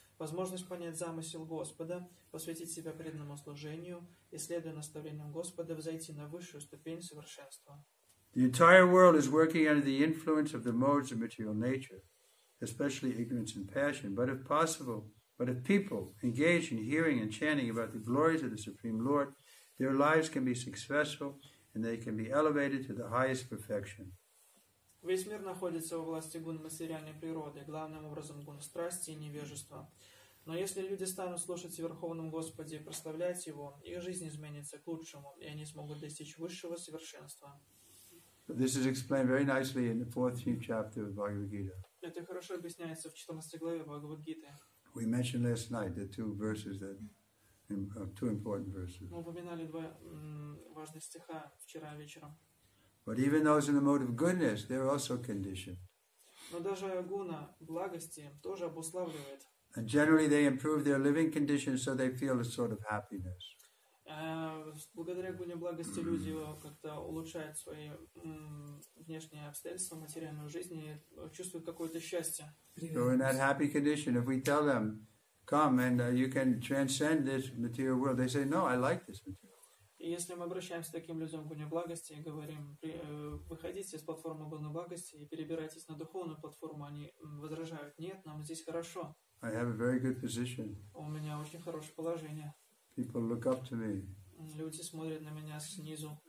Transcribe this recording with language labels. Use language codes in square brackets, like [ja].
[ru] Возможность понять замысел Господа, посвятить себя преданному служению и, следуя наставлениям Господа, взойти на высшую ступень совершенства. [en] The entire world is working under the influence of the modes of material nature, especially ignorance and passion. But if possible, but if people engage in hearing and chanting about the glories of the Supreme Lord, their lives can be successful and they can be elevated to the highest perfection. [ru] Весь мир находится во власти гун материальной природы, главным образом гун страсти и невежества. Но если люди станут слушать Верховному Господе и прославлять Его, их жизнь изменится к лучшему, и они смогут достичь высшего совершенства. [en] This is explained very nicely in the 14th chapter of Bhagavad Gita. [ru] Это хорошо объясняется в 14 главе Бхагавад Гиты. [en] We mentioned last night the two verses that two important verses. [ru] Мы упоминали два важных стиха вчера вечером. [en] But even those in the mode of goodness, they're also conditioned. [ru] Но даже гуна благости тоже обуславливает. [en] And generally, they improve their living conditions, so they feel a sort of happiness. [ru] Благодаря гуне благости люди как-то улучшают свои внешние обстоятельства, материальную жизнь, и чувствуют какое-то счастье. [en] So in that happy condition, if we tell them, "Come and you can transcend this material world," they say, "No, I like this material." [ru] И если мы обращаемся к таким людям в гуне благости и говорим, выходите с платформы гуны благости и перебирайтесь на духовную платформу, они возражают, нет, нам здесь хорошо. [en] I have a very good position. [ru] У меня очень хорошее положение. [en] People look up to me. [ru] Люди смотрят на меня снизу.